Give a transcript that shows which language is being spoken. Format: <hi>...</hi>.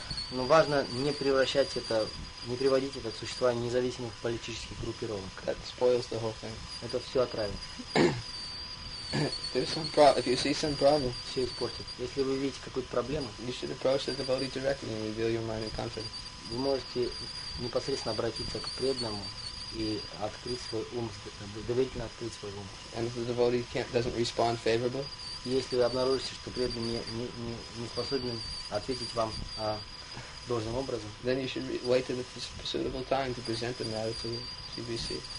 <ru>Но важно не превращать это, не приводить это к существованию независимых политических группировок.</ru> <en>That spoils the whole thing.</en> <ru>Это все отравит.</ru> <en>If you see some problem,</en> <ru>все испортит. Если вы видите какую-то проблему,</ru> <en>you should approach the devotee directly and reveal your mind and conflict.</en> <ru>Вы можете непосредственно обратиться к преданному и открыть свой ум, доверительно открыть свой ум.</ru> <en>And if the devotee doesn't respond favorably.</en> <ru>Если вы обнаружите, что преданный не способен ответить вам должным образом,</ru> <en>then you should wait at a suitable time to present the matter to GBC.</en>